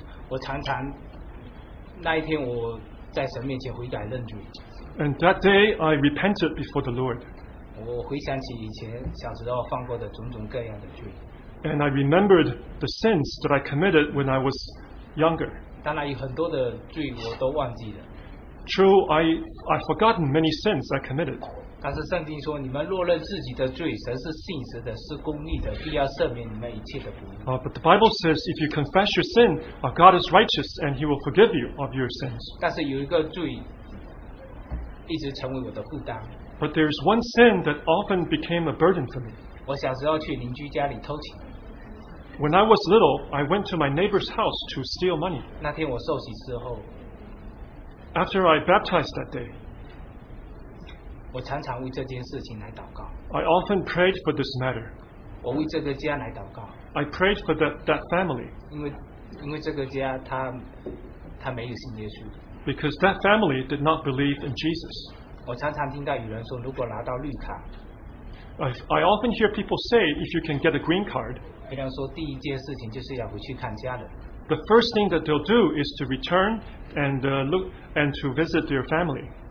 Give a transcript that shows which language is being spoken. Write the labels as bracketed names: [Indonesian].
[Chinese] 我常常那一天我在神面前悔改认罪。 [English] And that day I repented before the Lord. [Chinese] 我回想起以前小时候犯过的种种各样的罪。 [English] And I remembered the sins that I committed when I was younger. [Chinese] 当然有很多的罪我都忘记了。 [English] True, I've forgotten many sins I committed. [Chinese] 但是圣经说，你们若认自己的罪，神是信实的，是公义的，必要赦免你们一切的不义。 [English] But the Bible says, if you confess your sin, God is righteous and He will forgive you of your sins. [Chinese] 但是有一个罪一直成为我的负担。 [English] But there is one sin that often became a burden for me. [Chinese] 我小时候去邻居家里偷钱。 [English] When I was little, I went to my neighbor's house to steal money. [Chinese] 那天我受洗之后。 [English] After I baptized that day, [Chinese] 我常常为这件事情来祷告。 [English] I often prayed for this matter. [Chinese] 我为这个家来祷告。 [English] I prayed for that family. [Chinese] 因为这个家他没有信耶稣。 [English] Because that family did not believe in Jesus. [Chinese] 我常常听到有人说，如果拿到绿卡。 [English] I often hear people say, if you can get a green card, The first thing that they'll do is to return and look and to visit their family.